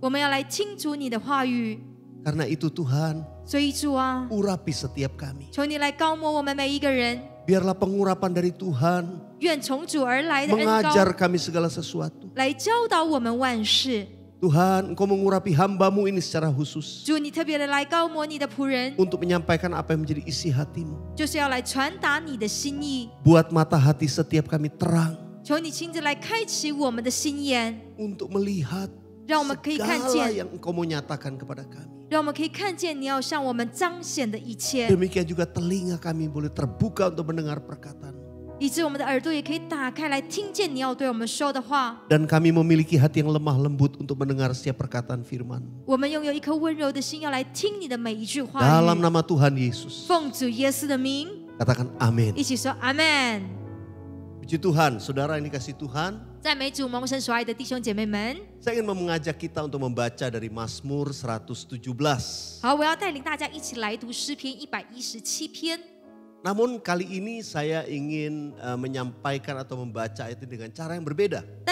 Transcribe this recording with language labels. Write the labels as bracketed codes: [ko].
[zh] 我们要来听主你的话语。 [id] Karena itu Tuhan. [zh] 所以主啊， [id] urapi setiap kami. [zh] 求你来膏抹我们每一个人。 [id] Biarlah pengurapan dari Tuhan. [zh] 愿从主而来的恩 [id] 膏。Mengajar kami segala sesuatu. [zh] 来教导我们万事。 [id] Tuhan, Engkau mengurapi hamba-Mu ini secara khusus. [zh] 主，你特别的来膏抹你的仆人。 [id] Untuk menyampaikan apa yang menjadi isi hatimu. [zh] 就是要来传达你的心意。 [id] Buat mata hati setiap kami terang. [zh] 求你亲自来开启我们的心眼。 [id] Untuk melihat. [zh] 让我们可以看见。 [id] Segala yang Engkau mau nyatakan kepada kami. [zh] 让我们可以看见你要向我们彰显的一切。 [id] Demikian juga telinga kami boleh terbuka untuk mendengar perkataan. [zh] 以致我们的耳朵也可以打开来听见你要对我们说的话。 [id] Dan kami memiliki hati yang lemah lembut untuk mendengar setiap perkataan firman. [zh] 我们拥有一颗温柔的心要来听你的每一句话。 [id] Dalam nama Tuhan Yesus. [zh] 奉主耶稣的名。 [id] Katakan amin. [zh] 一起说 amin. [id] Puji Tuhan, saudara yang dikasih Tuhan. [zh] 赞美主蒙神所爱的弟兄姐妹们。 [id] Saya ingin mengajak kita untuk membaca dari Mazmur 117. [zh] 好，我要带领大家一起来读诗篇117篇。 [id] Namun kali ini saya ingin menyampaikan atau membaca ayat ini dengan cara yang berbeda.